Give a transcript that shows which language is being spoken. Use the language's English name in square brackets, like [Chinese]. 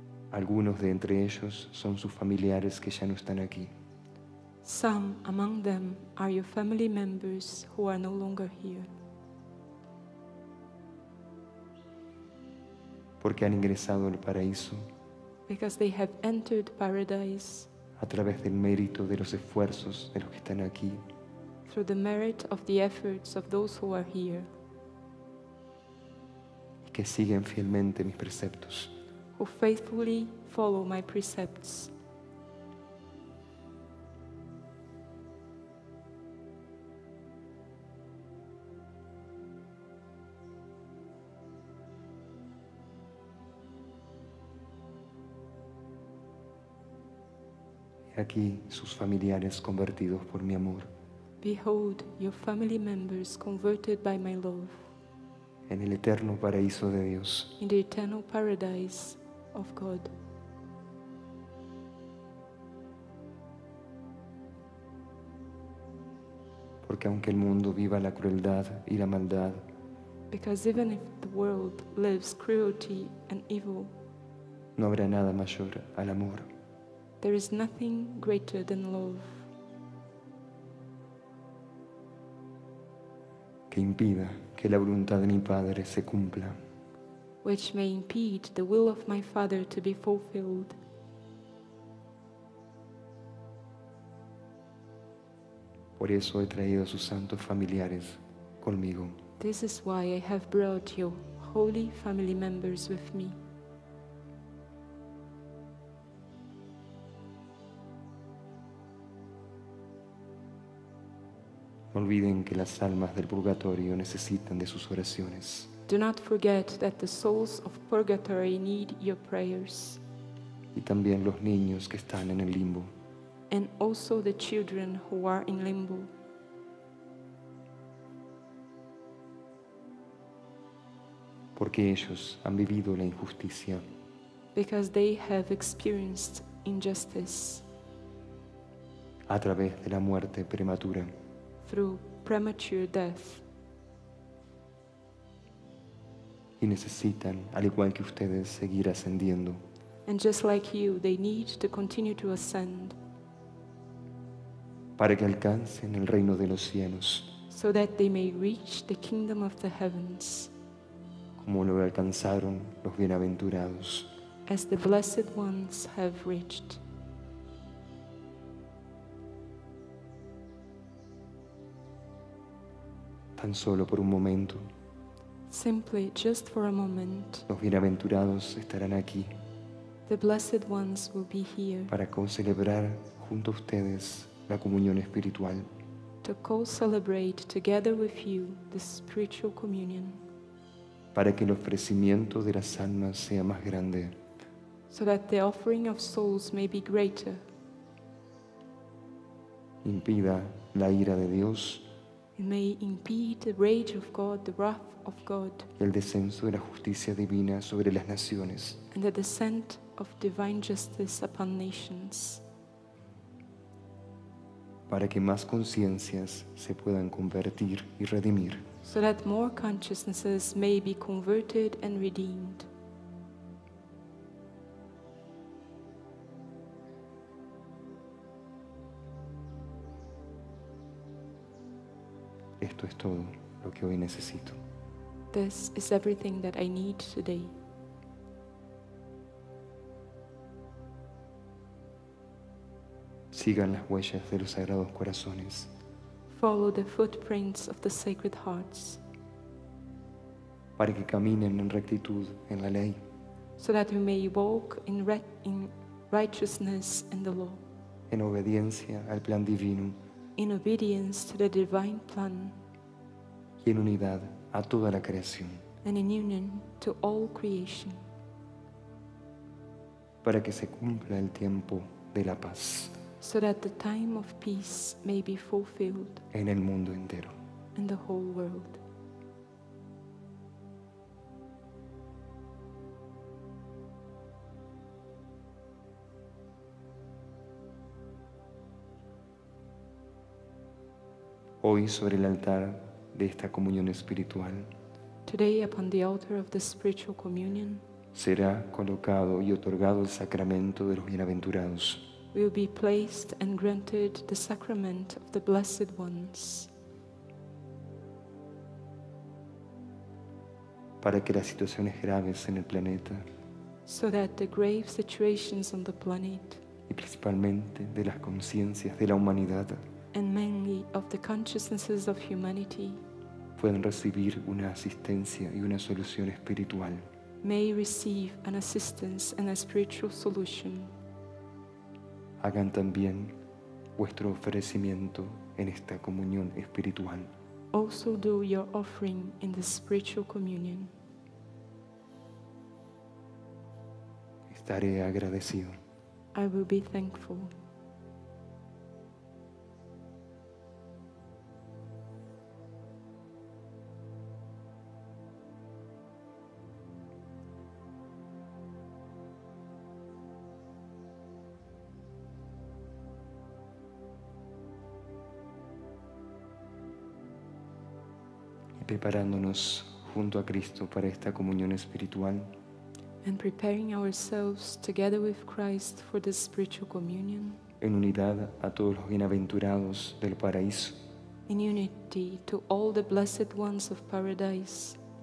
[Spanish] Algunos de entre ellos son sus familiares que ya no están aquí. [English] Some among them are your family members who are no longer here. [Spanish] Porque han ingresado al paraíso. [English] Because they have entered paradise. [Spanish] A través del mérito de los esfuerzos de los que están aquí. [English] Through the merit of the efforts of those who are here. [Spanish] Y que siguen fielmente mis preceptos. [English] Who faithfully follow my precepts. [Spanish] aquí sus familiares convertidos por mi amor. [English] Behold your family members converted by my love. [Spanish] En el eterno paraíso de Dios. [English] In the eternal paradise of God. [Spanish] Porque aunque el mundo viva la crueldad y la maldad, [English] because even if the world lives cruelty and evil, [Spanish] no habrá nada mayor al amor. [English] There is nothing greater than love [Spanish] que impida que la voluntad de mi Padre se cumpla, [English] which may impede the will of my Father to be fulfilled. [Spanish] Por eso he traído a sus santos familiares conmigo. [English] This is why I have brought your holy family members with me. [Spanish] No olviden que las almas del purgatorio necesitan de sus oraciones. [English] Do not forget that the souls of purgatory need your prayers. [Spanish] Y también los niños que están en el limbo. [English] And also the children who are in limbo. [Spanish] Porque ellos han vivido la injusticia. [English] Because they have experienced injustice. [Spanish] A través de la muerte prematura. [English] Through premature death. [Spanish] Y necesitan, al igual que ustedes, seguir ascendiendo. [English] And just like you, they need to continue to ascend. [Spanish] Para que alcancen el reino de los cielos. [English] So that they may reach the kingdom of the heavens. [Spanish] Como lo alcanzaron los bienaventurados. [English] As the blessed ones have reached. [Spanish] Tan solo por un momento. [English] Simply just for a moment. [Spanish] Los bienaventurados estarán aquí. [English] The blessed ones will be here. [Spanish] Para concelebrar junto a ustedes la comunión espiritual. [English] To co-celebrate together with you the spiritual communion. [Spanish] Para que el ofrecimiento de las almas sea más grande. [English] So that the offering of souls may be greater. [Spanish] Impida la ira de Dios. [English] It may impede the rage of God, the wrath of God. [Spanish] Y el descenso de la justicia divina sobre las naciones. [English] And the descent of divine justice upon nations. [Spanish] Para que más conciencias se puedan convertir y redimir. [English] So that more consciousnesses may be converted and redeemed. [Spanish] Esto es todo lo que hoy necesito. [English] This is everything that I need today. [Spanish] Sigan las huellas de los sagrados corazones. [English] Follow the footprints of the sacred hearts. [Spanish] Para que caminen en rectitud en la ley. [English] So that you may walk in righteousness and the law. [Spanish] En obediencia al plan divino. [English] In obedience to the divine plan. [Spanish] Y en unidad a toda la creación. [English] And in union to all creation. [Spanish] Para que se cumpla el tiempo de la paz. [English] So that the time of peace may be fulfilled [Spanish] en el mundo entero. [English] In the whole world. [Spanish] Hoy sobre el altar de esta comunión espiritual. [English] Today upon the altar of the spiritual communion. [Spanish] Será colocado y otorgado el sacramento de los bienaventurados. [English] Will be placed and granted the sacrament of the blessed ones. [Spanish] Para que las situaciones graves en el planeta. [English] So that the grave situations on the planet. [Spanish] Y principalmente de las conciencias de la humanidad. [English] And mainly of the consciousnesses of humanity. [Spanish] Pueden recibir una asistencia y una solución espiritual. [English] May receive an assistance and a spiritual solution. [Spanish] Hagan también vuestro ofrecimiento en esta comunión espiritual. [English] Also do your offering in the spiritual communion. [Spanish] Estaré agradecido. [English] I will be thankful. [Spanish] preparándonos junto a Cristo para esta comunión espiritual. [English] And preparing ourselves together with Christ for this spiritual communion. [Spanish] En unidad a todos los bienaventurados del paraíso. [English] In unity to all the blessed ones of paradise.